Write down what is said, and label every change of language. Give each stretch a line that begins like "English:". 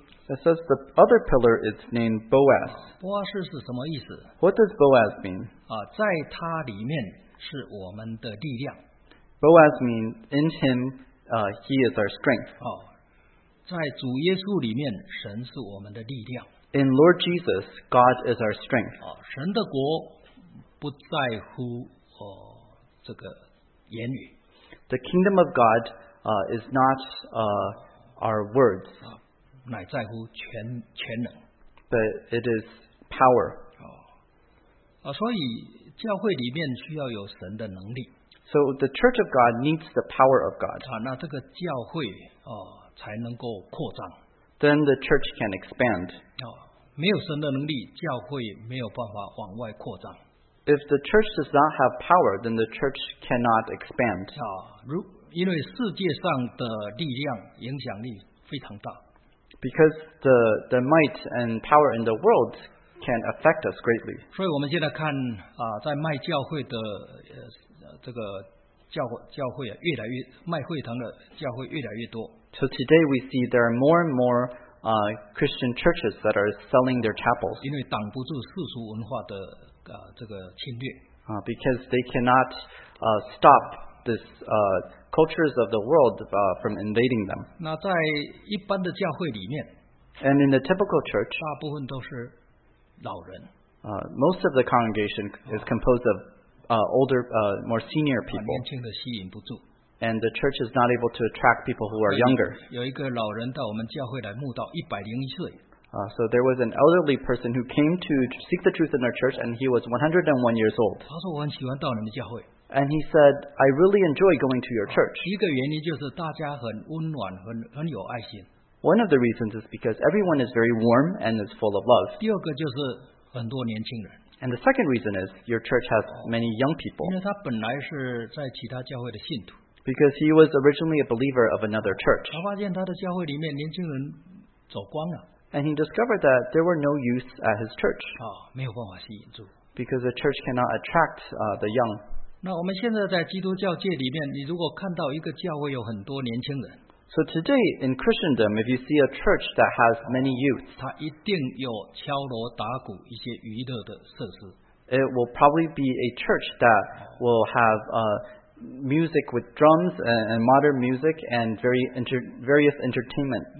English: it says the other pillar is named Boaz.
Chinese: 波阿斯是什么意思?
English: What does Boaz mean?
Chinese: 在他里面是我们的力量。
English: Boaz means in him, he is our strength.
Chinese: 在主耶稣里面神是我们的力量。
English: In Lord Jesus, God is our strength.
Chinese: 神的国不在乎这个言语。
English: The kingdom of God is not our words,
Chinese: 乃在乎全能。
English: But it is power.
Chinese: 所以教会里面需要有神的能力。
English: So the church of God needs the power of God.
Chinese: 那这个教会才能够扩张。
English: Then the church can expand.
Chinese: 没有神的能力，教会没有办法往外扩张。
English: If the church does not have power, then the church cannot expand.
Chinese: 因为世界上的力量影响力非常大。
English: Because the might and power in the world can affect us greatly.
Chinese: 所以我们现在看在麦教会的这个教会啊，越来越麦会堂的教会越来越多。
English: So today we see there are more and more Christian churches that are selling their chapels.
Chinese: 因为挡不住世俗文化的这个侵略。
English: Because they cannot stop this cultures of the world from invading them.
Chinese: 那在一般的教会里面
English: ，and in the typical church，
Chinese: 大部分都是老人。
English: Most of the congregation is composed of older, more senior people.
Chinese: 年轻的吸引不住。
English: And the church is not able to attract people who are younger.
Chinese: 有一个老人到我们教会来慕道，101岁。
English: So there was an elderly person who came to seek the truth in our church, and he was 101 years old.
Chinese: 他说我很喜欢到你们教会。
English: And he said, I really enjoy going to your church.
Chinese: 一个原因就是大家很温暖，很有爱心。
English: One of the reasons is because everyone is very warm and is full of love.
Chinese: 第二个就是很多年轻人。
English: And the second reason is your church has many young people.
Chinese: 因为他本来是在其他教会的信徒。
English: Because he was originally a believer of another church.
Chinese: 他发现他的教会里面年轻人走光了。
English: And he discovered that there were no youth at his church.
Chinese: 没有办法吸引住。
English: Because the church cannot attract the young.
Chinese: 那我们现在在基督教界里面，你如果看到一个教会有很多年轻人。
English: So today in Christendom, if you see a church that has many youth,
Chinese: 它一定有敲锣打鼓一些娱乐的设施。
English: It will probably be a church that will have music with drums and modern music and various entertainment.